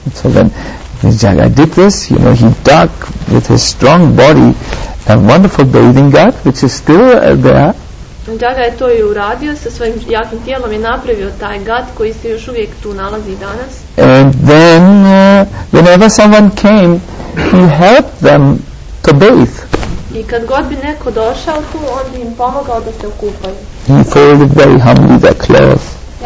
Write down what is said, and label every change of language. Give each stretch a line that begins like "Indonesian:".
English: So then Jaga did this, you know, he dug with his strong body a wonderful bathing ghat which is still there.
Bosnian: Jaga je to i uradio, sa svojim jakim tijelom je napravio taj ghat koji se još uvijek tu nalazi i danas.
English: And then whenever someone came, he helped them to bathe.
Bosnian: I kad god bi neko došao tu, on bi im pomogao da se okupaju.
English: He folded very humbly their clothes.